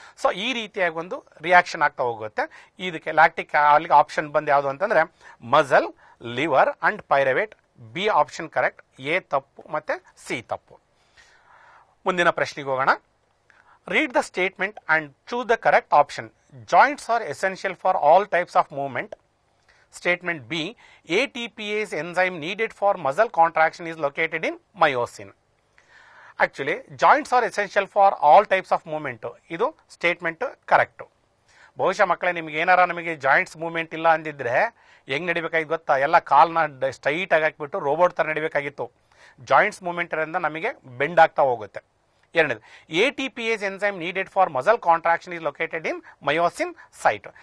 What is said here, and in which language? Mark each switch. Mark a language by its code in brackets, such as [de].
[kn] So ಈ ರೀತಿಯಾಗಿ ಒಂದು ರಿಯಾಕ್ಷನ್ ಆಗ್ತಾ ಹೋಗುತ್ತೆ. ಇದಕ್ಕೆ ಲ್ಯಾಕ್ಟಿಕ್ ಅಲ್ಲಿಗೆ ಆಪ್ಷನ್ ಬಂದು ಯಾವುದು ಅಂತಂದರೆ muscle, liver and pyruvate. B option correct, A ತಪ್ಪು ಮತ್ತು ಸಿ ತಪ್ಪು. ಮುಂದಿನ ಪ್ರಶ್ನೆಗೆ ಹೋಗೋಣ. [en] Read the statement and choose the correct option. Joints are essential for all types of movement. Statement B, ATPase enzyme needed for muscle contraction is located in myosin. Actually, joints are essential for all types of movement. This statement is correct. [kn] ಬಹುಶಃ ಮಕ್ಕಳೇ ನಿಮಗೆ ಏನಾರ ನಿಮಗೆ joints movement ಇಲ್ಲ ಅಂದಿದ್ರೆ ಹೆಂಗೆ ನಡಿಬೇಕಾಗಿತ್ತು ಗೊತ್ತಾ, ಎಲ್ಲ ಕಾಲ್ನ ಸ್ಟ್ರೈಟ್ ಆಗಿ ಹಾಕಿಬಿಟ್ಟು ರೋಬೋಟ್ ಥರ ನಡಿಬೇಕಾಗಿತ್ತು. [en] joints movement [kn] ಇರೋದ್ರಿಂದ ನಮಗೆ ಬೆಂಡ್ ಆಗ್ತಾ ಹೋಗುತ್ತೆ. ಎರಡನೇದು, [en] ATPase enzyme needed for muscle contraction is located in myosin site.